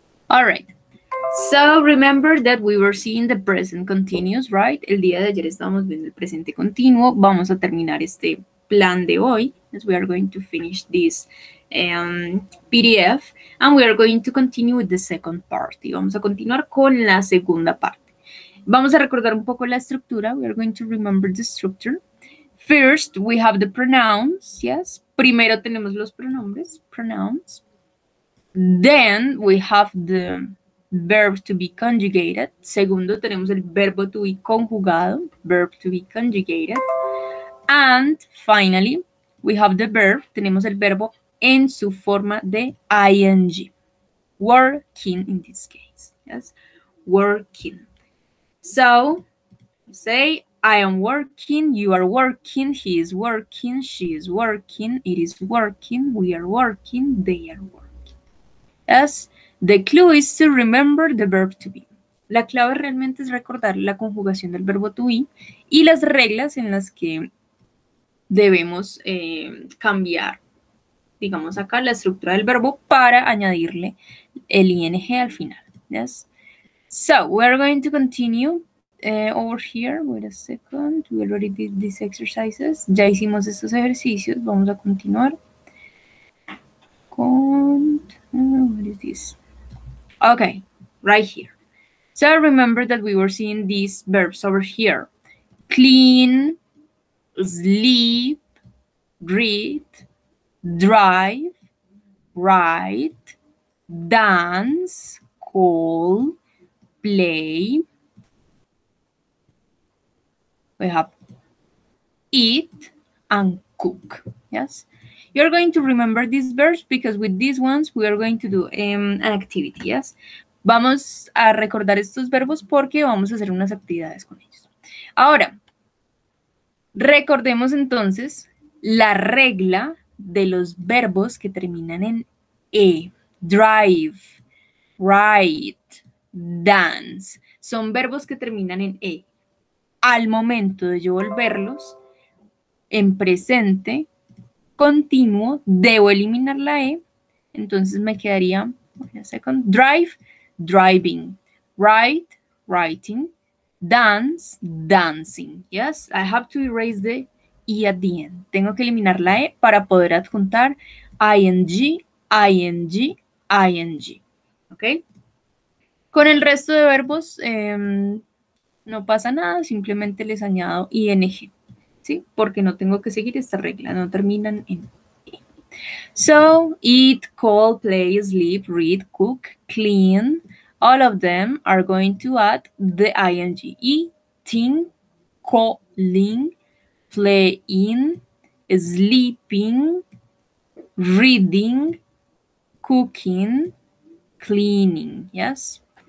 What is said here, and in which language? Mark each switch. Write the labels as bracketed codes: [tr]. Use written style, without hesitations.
[en] All right. So remember that we were seeing the present continuous, right? [es] El día de ayer estábamos viendo el presente continuo. Vamos a terminar este plan de hoy, [en] as we are going to finish this PDF, and we are going to continue with the second part. [es] Y vamos a continuar con la segunda parte. Vamos a recordar un poco la estructura. [en] We are going to remember the structure. First, we have the pronouns, yes? [es] Primero tenemos los pronombres, pronouns. [en] Then, we have the verb to be conjugated. [es] Segundo, tenemos el verbo to be conjugado, [en] verb to be conjugated. And finally, we have the verb, [es] tenemos el verbo en su forma de ing, [en] working in this case, yes, working. So, say, I am working, you are working, he is working, she is working, it is working, we are working, they are working. Yes, the clue is to remember the verb to be. [es] La clave realmente es recordar la conjugación del verbo to be y las reglas en las que debemos cambiar, digamos acá, la estructura del verbo para añadirle el ing al final, yes? [en] So, we're going to continue over here, wait a second, we already did these exercises, [es] ya hicimos estos ejercicios, vamos a continuar con, [en] what is this? Okay, right here. So, remember that we were seeing these verbs over here, clean, sleep, read, drive, write, dance, call, play. We have eat and cook. Yes? You're going to remember these verbs because with these ones we are going to do an activity. Yes? [es] Vamos a recordar estos verbos porque vamos a hacer unas actividades con ellos. Ahora, recordemos entonces la regla de los verbos que terminan en E. [en] Drive, write, dance. [es] Son verbos que terminan en E. Al momento de yo volverlos en presente continuo, debo eliminar la E. Entonces me quedaría, [en] wait a second, drive, driving, write, writing, dance, dancing. Yes, I have to erase the E at the end. [es] Tengo que eliminar la E para poder adjuntar ing, ing, ing. ¿Ok? Con el resto de verbos no pasa nada, simplemente les añado ing. ¿Sí? Porque no tengo que seguir esta regla, no terminan en E. [en] So, eat, call, play, sleep, read, cook, clean. All of them are going to add the ing. Eating, calling, playing, sleeping, reading, cooking, cleaning. Yes?